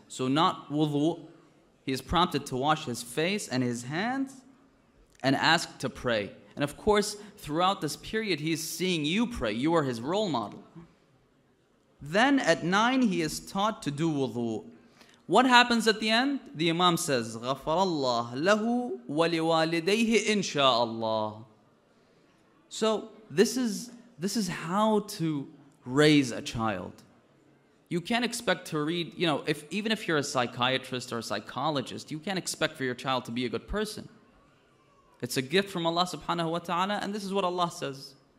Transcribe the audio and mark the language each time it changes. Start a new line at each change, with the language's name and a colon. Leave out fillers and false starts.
English: So not wudu. He is prompted to wash his face and his hands. and ask to pray. And of course, throughout this period, he's seeing you pray. You are his role model. Then at 9, he is taught to do wudu. What happens at the end? The imam says,
Arabic: غفر الله له ولوالديه إن شاء الله.
English: So this is how to raise a child. You can't expect to read, you know, even if you're a psychiatrist or a psychologist, you can't expect for your child to be a good person. It's a gift from Allah subhanahu wa ta'ala, and this is what Allah says.